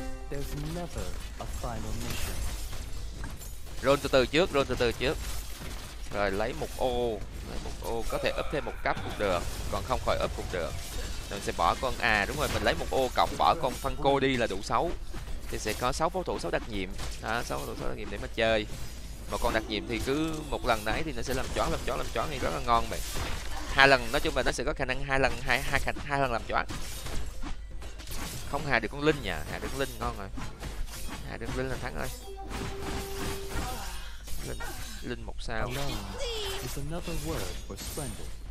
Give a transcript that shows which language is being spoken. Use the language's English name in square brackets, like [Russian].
[English] There's never a final mission. [Vietnamese] Roll từ từ trước, roll từ từ trước. Rồi lấy một ô, có thể up thêm một cấp cũng được, còn không khỏi up cũng được. Rồi mình sẽ bỏ con à, đúng rồi, mình lấy một ô cộng bỏ con phân cô đi là đủ 6. Thì sẽ có 6 pháo thủ, 6 đặc nhiệm. Đó, 6 pháo thủ, 6 đặc nhiệm để mà chơi. Mà con đặc nhiệm thì cứ một lần nãy thì nó sẽ làm choáng thì rất là ngon mày. Hai lần, nói chung là nó sẽ có khả năng hai lần làm choáng. Không hạ được con linh nha, hạ được con linh ngon rồi. Hạ được linh là thắng rồi. Linh một sao. [English] Alone is another word for splendid.